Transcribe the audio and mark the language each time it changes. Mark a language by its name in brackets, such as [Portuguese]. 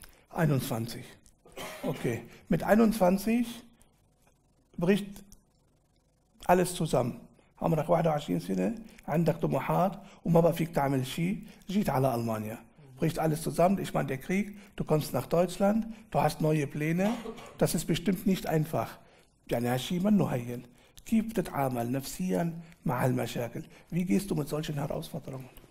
[German] 21. Okay. Mit 21 bricht alles zusammen. [Arabic] عمرك 21 سنة عندك طموحات وما بقى فيك تعمل شيء جيت على ألمانيا. [German] Bricht alles zusammen. Ich meine, der Krieg, du kommst nach Deutschland, du hast neue Pläne. Das ist bestimmt nicht einfach. [Arabic] يعني هالشيء منه هين. كيف بتتعامل نفسيا مع المشاكل؟ [German] Wie gehst du mit solchen Herausforderungen?